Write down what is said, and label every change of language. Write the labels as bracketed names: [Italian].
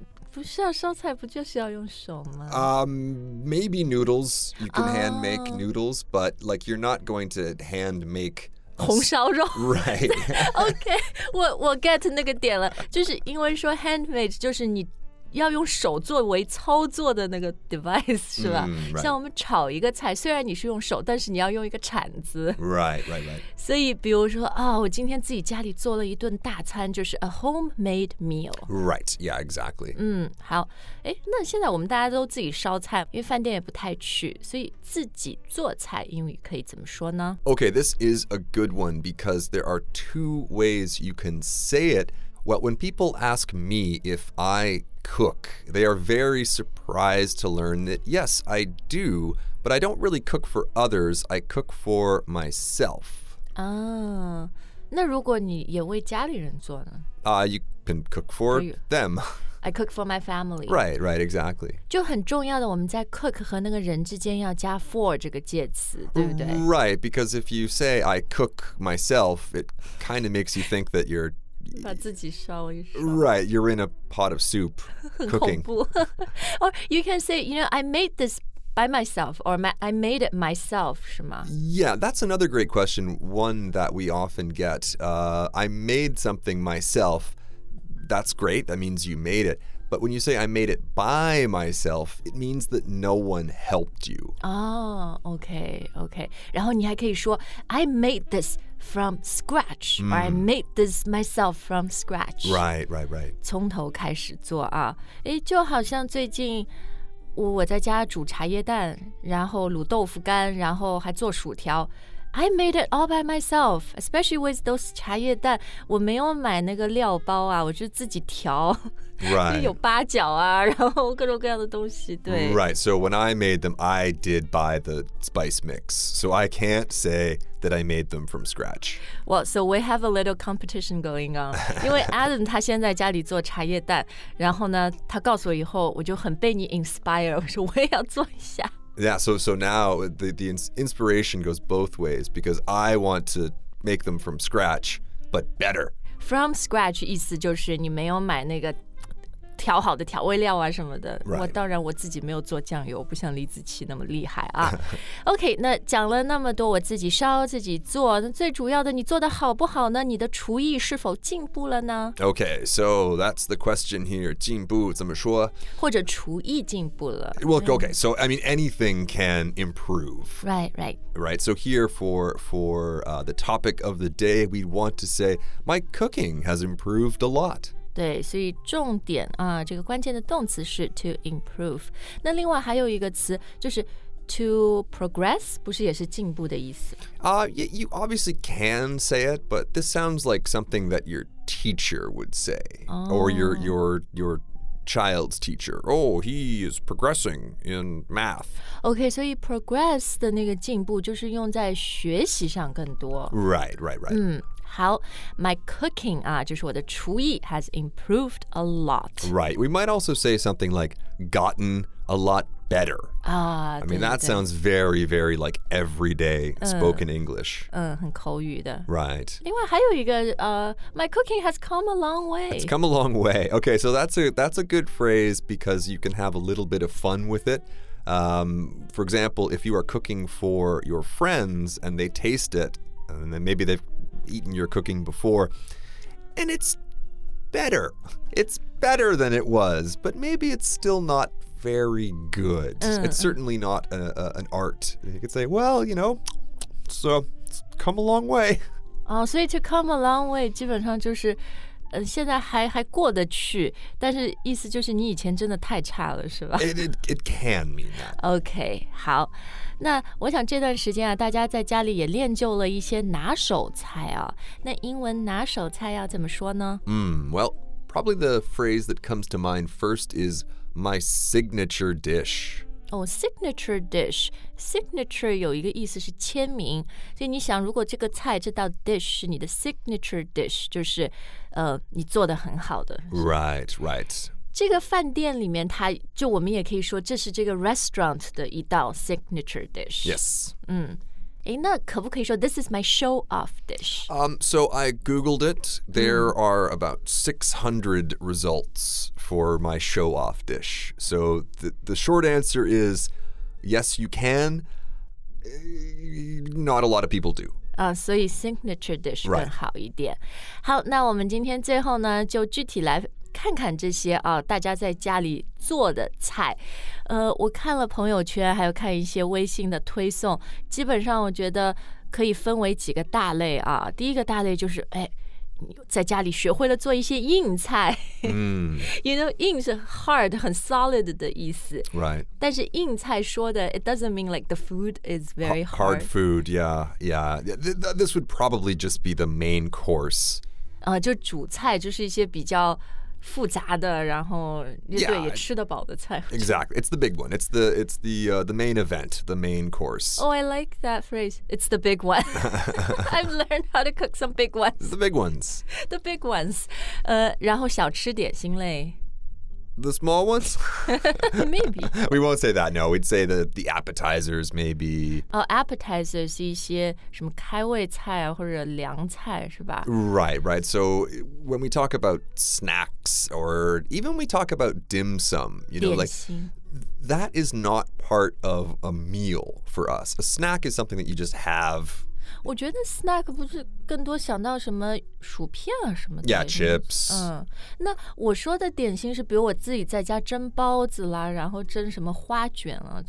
[Chinese] 不是啊，烧菜不就是要用手吗？ [English] Maybe noodles, you can hand make noodles, but like you're not going to hand make... [Chinese] 红烧肉 [English] right [Chinese] OK 我 get 那个点了，就是因为说 handmade 就是你要用手作为操作的那个 device 是吧、 [English] right. [Chinese] 像我们炒一个菜虽然你是用手但是你要用一个铲子 [English] Right, right, right [Chinese] 所以比如说、哦、我今天自己家里做了一顿大餐就是 [English] a homemade meal Right, yeah, exactly [Chinese] 嗯，好那现在我们大家都自己烧菜因为饭店也不太去所以自己做菜英语可以怎么说呢 [English] Okay, this is a good one because there are two ways you can say itWell, when people ask me if I cook, they are very surprised to learn that, yes, I do, but I don't really cook for others, I cook for myself. [Chinese] Oh, 那如果你也为家里人做呢? [English] You can cook for them. I cook for my family. Right, right, exactly. [Chinese] 就很重要的我们在 cook 和那个人之间要加 for 这个介词对不对? [English] Right, because if you say I cook myself, it kind of makes you think that you're... [Chinese] 把自己烧一烧 [English] Right, you're in a pot of soup cooking. Or you can say, you know, I made this by myself or I made it myself, [Chinese] 是吗 [English] Yeah, that's another great question, one that we often get. I made something myself. That's great, that means you made it. But when you say I made it by myself, it means that no one helped you. Oh, okay, okay. [Chinese] 然后你还可以说 [English] I made this. From scratch,、mm. or I made this myself from scratch. Right, right, right. [Chinese] 从头开始做啊，哎，就好像最近我在家煮茶叶蛋，然后卤豆腐干，然后还做薯条。 [English] I made it all by myself, especially with those 茶叶蛋。 [Chinese] 我没有买那个料包啊，我就自己调。 [English] Right. [Chinese] 有八角啊，然后各种各样的东西。对。 [English] Right. So when I made them, I did buy the spice mix. So I can't say that I made them from scratch. Well, so we have a little competition going on. [Chinese] 因为 Adam 他现在家里做茶叶蛋，然后呢，他告诉我以后，我就很被你 inspire， 我说我也要做一下。 [English] Yeah, so now the inspiration goes both ways because I want to make them from scratch, but better. [Chinese] From scratch 意思就是你没有买那个调好的调味料啊什么的。 [English] Right. [Chinese] 我当然我自己没有做酱油，不像李子柒那么厉害啊。 Okay, 那讲了那么多，我自己烧自己做，那最主要的你做的好不好呢？你的厨艺是否进步了呢 [English] ？Okay, so that's the question here. [Chinese] 进步怎么说？或者厨艺进步了 [English] ？Well, okay. So I mean, anything can improve. Right, right, right. So here for the topic of the day, we want to say my cooking has improved a lot. [Chinese] 对，所以重点啊，这个关键的动词是 to improve。那另外还有一个词就是 to progress， 不是也是进步的意思？ [English] You obviously can say it, but this sounds like something that your teacher would say,、 oh. or your child's teacher. Oh, he is progressing in math. [Chinese] Okay, 所以 progress 的那个进步就是用在学习上更多。 [English] Right, right, right. [Chinese] 嗯。 [English] How my cooking 啊， [Chinese] 就是我的厨艺 [English] has improved a lot. Right. We might also say something like gotten a lot better. I mean, that sounds very, very like everyday spoken English. [Chinese] 很口语的。 [English] Right. [Chinese] 另外还有一个 [English] my cooking has come a long way. It's come a long way. Okay, so that's a good phrase because you can have a little bit of fun with it. For example, if you are cooking for your friends and they taste it, and then maybe they've... eaten your cooking before and it's better than it was but maybe it's still not very good、 mm-hmm. it's certainly not an art you could say well you know so it's come a long way oh so to come a long way [Chinese] 基本上就是现在还过得去但是意思就是你以前真的太差了是吧 [English] it can mean that [Chinese] okay 好那我想这段时间啊大家在家里也练就了一些拿手菜啊那英文拿手菜要怎么说呢 [English] Well, probably the phrase that comes to mind first is my signature dish [Chinese] Oh, signature dish Signature 有一个意思是签名所以你想如果这个菜这道 dish 是你的 signature dish 就是你做得很好的 [English] Right, right [Chinese] 这个饭店里面它就我们也可以说这是这个 restaurant 的一道 signature dish. [English] Yes. [Chinese] 那可不可以说 [English] this is my show off dish? So I googled it. There are about 600 results for my show off dish. So the short answer is yes you can. Not a lot of people do. [Chinese] 所以 signature dish 更好一点。 [English] Right. [Chinese] 好那我们今天最后呢就具体来看看这些啊，大家在家里做的菜。我看了朋友圈，还有看一些微信的推送，基本上我觉得可以分为几个大类啊。第一个大类就是，哎，在家里学会了做一些硬菜。嗯， [English] you know, [Chinese] 硬是 hard, 很 solid 的意思。 [English] Right. [Chinese] 但是硬菜说的 [English] it doesn't mean like the food is very hard. Hard food, yeah, yeah. This would probably just be the main course. [Chinese] 就主菜就是一些比较复杂的，然后对 [English] yeah, [Chinese] 也吃得饱的菜。 [English] Exactly, it's the big one. It's the main event, the main course. Oh, I like that phrase. It's the big one. I've learned how to cook some big ones. The big ones. The big ones. [Chinese] 然后小吃点心类。 [English] The small ones? Maybe. We won't say that, no. We'd say that the appetizers, maybe. [Chinese] Oh, appetizers, 一些什么开胃菜啊或者凉菜是吧 [English] Right, right. So when we talk about snacks or even we talk about dim sum, you know, like that is not part of a meal for us. A snack is something that you just have. [Chinese] 我觉得 snack 不是更多想到什么薯片啊什么的 [English] Yeah, chips. [Chinese] 那我说的点心是比如我自己在家蒸包子啦然后蒸什么花卷啊